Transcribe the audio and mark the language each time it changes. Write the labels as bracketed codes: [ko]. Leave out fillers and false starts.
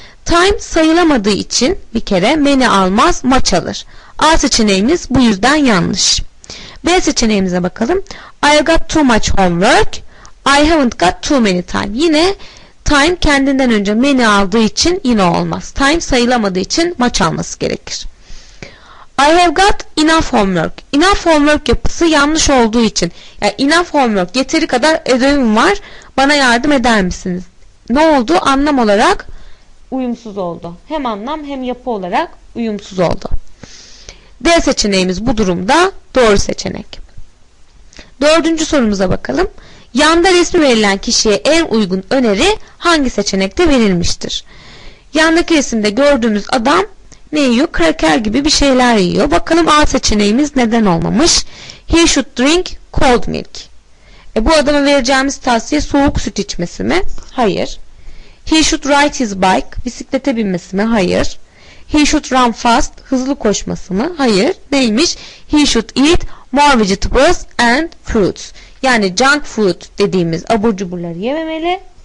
[tr] Time sayılamadığı için bir kere many almaz, much alır. A seçeneğimiz bu yüzden yanlış. B seçeneğimize bakalım. [en] I have got too much homework. I haven't got too many time. [tr] Yine time kendinden önce many aldığı için yine olmaz. Time sayılamadığı için much alması gerekir. [en] I have got enough homework. [tr] Enough homework yapısı yanlış olduğu için. Yani enough homework, yeteri kadar ödevim var. Bana yardım eder misiniz? Ne oldu? Anlam olarak uyumsuz oldu. Hem anlam hem yapı olarak uyumsuz oldu. D seçeneğimiz bu durumda doğru seçenek. Dördüncü sorumuza bakalım. Yanda resmi verilen kişiye en uygun öneri hangi seçenekte verilmiştir? Yandaki resimde gördüğümüz adam ne yiyor? Kraker gibi bir şeyler yiyor. Bakalım A seçeneğimiz neden olmamış? [en] He should drink cold milk. [tr] Bu adama vereceğimiz tavsiye soğuk süt içmesi mi? Hayır. [en] He should ride his bike. [tr] Bisiklete binmesi mi? Hayır. [en] He should run fast. [tr] Hızlı koşması mı? Hayır. Neymiş? [en] He should eat more vegetables and fruits. [tr] Yani junk food dediğimiz abur cuburları yememeli.